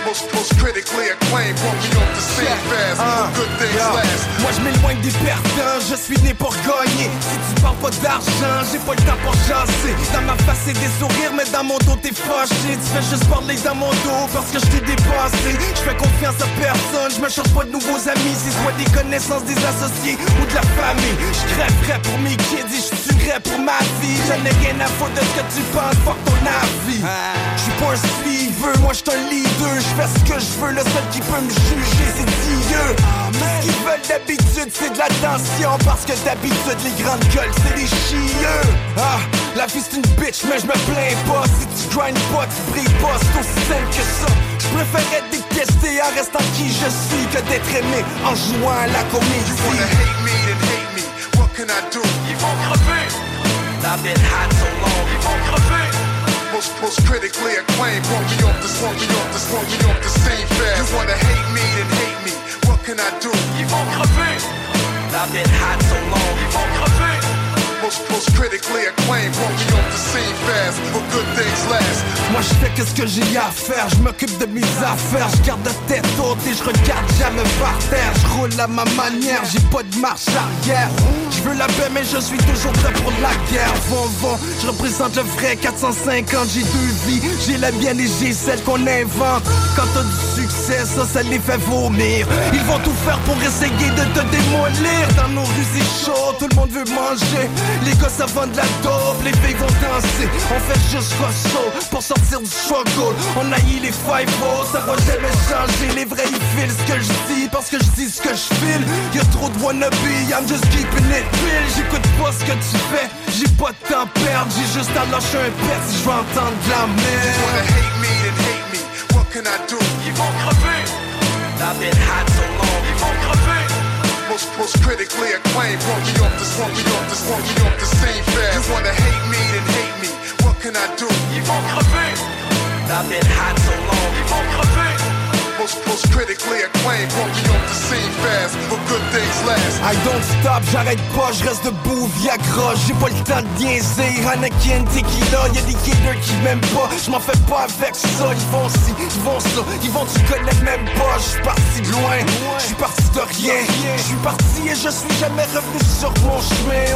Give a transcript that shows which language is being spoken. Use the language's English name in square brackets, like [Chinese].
[English] Most critically acclaimed, brought me off the same fast. Good things last. [French] Moi je m'éloigne des personnes, je suis né pour gagner. Si tu parles pas d'argent, j'ai pas le temps pour jaser. Dans ma face c'est des sourires, mais dans mon dos t'es fâché. Tu fais juste parler dans mon dos parce que je t'ai dépassé. Je fais confiance à personne, je me cherche pas de nouveaux amis. Si soit des connaissances, des associés ou de la famille. Je crèverais pour mes kids et je tuerais pour ma vie. Je n'ai rien à foutre de ce que tu penses, fuck ton avis. Je suis pas un un suiveux, moi j'suis un leader. J'fais ce que j'veux, le seul qui peut me juger c'est Dieu. Ce qu'ils veulent d'habitude c'est de l'attention, parce que d'habitude les grandes gueules c'est des chieux. Ah, la vie c'est une bitch mais j'me plains pas. Si tu grind pas, tu brilles pas, c'est aussi simple que ça. J'préfère être détesté en restant qui je suis que d'être aimé en jouant à la comédie. [English] You wanna hate me, then hate me, what can I do? [French] Ils vont crever. [English] I've been hot so long, [French] ils vont crever. [English] Most critically acclaimed, brought me off the swung, me off the swung, me off the same fast. You wanna hate me, then hate me, what can I do? [French] Ils vont crever. [English] I've been hot so long, [French] ils vont crever. [English] Most critically acclaimed, brought me off the scene fast. But good things last. [French] Moi je fais qu'est-ce que j'ai à faire, je m'occupe de mes affaires. Je garde la tête haute et je regarde jamais par terre. Je roule à ma manière, j'ai pas de marche arrière. Je veux la paix mais je suis toujours prêt pour la guerre. Bon bon, je représente le vrai 450, j'ai deux vies. J'ai la mienne et j'ai celle qu'on invente. Quand t'as du succès, ça, ça les fait vomir. Ils vont tout faire pour essayer de te démolir. Dans nos rues c'est chaud, tout le monde veut manger. Les gosses ça vend de la dope, les filles vont danser. On fait juste quoi saut pour sortir du struggle. On haït les five-o's, ça va jamais changer. Les vrais ils filent ce que je dis parce que je dis ce que je file. Y'a trop de wannabe, [English] I'm just keeping it real. [French] J'écoute pas ce que tu fais, j'ai pas de temps à perdre. J'ai juste à lâcher un pet si je veux entendre de la merde. [English] You wanna hate me, then hate me, what can I do? [French] Ils vont crever. [English] I've been hot so long, [French] ils vont crever. [English] Most critically acclaimed, brought me off the swung, me off the swung, me off the same fast. You wanna hate me, then hate me, what can I do? [French] Ils vont crever. [English] I've been hot so long, [French] ils vont crever. [English] Most critically acclaimed, brought me off the scene fast. But good things last. I don't stop, [French] j'arrête pas, je reste debout, Viagra. J'ai pas le temps de niaiser, Anakin, Tequila. Y'a des killers qui m'aiment pas, j'm'en fais pas avec ça. Ils vont si, ils vont ça, ils vont tu connais même pas. J'suis parti de loin, j'suis parti de rien. J'suis parti et je suis jamais revenu sur mon chemin.